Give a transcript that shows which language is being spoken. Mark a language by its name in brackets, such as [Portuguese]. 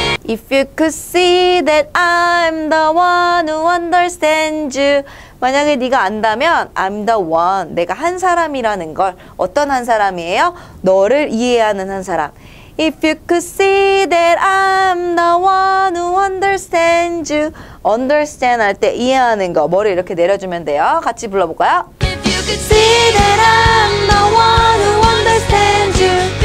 [English] If you could see that I'm the one who understands you. [Korean] 만약에 네가 안다면 [English] I'm the one, [Korean] 내가 한 사람이라는 걸. 어떤 한 사람이에요? 너를 이해하는 한 사람. [English] If you could see that I'm the one who understands you. [Korean] Understand 할 때 이해하는 거. 머리 이렇게 내려주면 돼요. 같이 불러볼까요? [English] If you could see that I'm the one who understands you.